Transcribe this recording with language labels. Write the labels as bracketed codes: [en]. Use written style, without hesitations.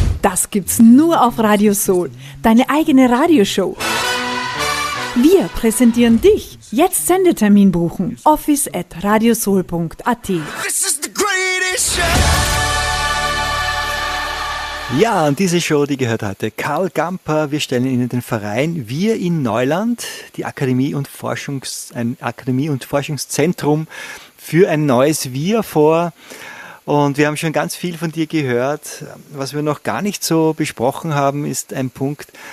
[de] Das gibt's nur auf Radio Soul. Deine eigene Radioshow. Wir präsentieren dich. Jetzt Sendetermin buchen. office@radiosoul.at. [en] This is the greatest show. [de] Ja, und diese Show, die gehört heute Karl Gamper. Wir stellen Ihnen den Verein Wir in Neuland, die Akademie und Forschungszentrum für ein neues Wir vor. Und wir haben schon ganz viel von dir gehört. Was wir noch gar nicht so besprochen haben, ist ein Punkt.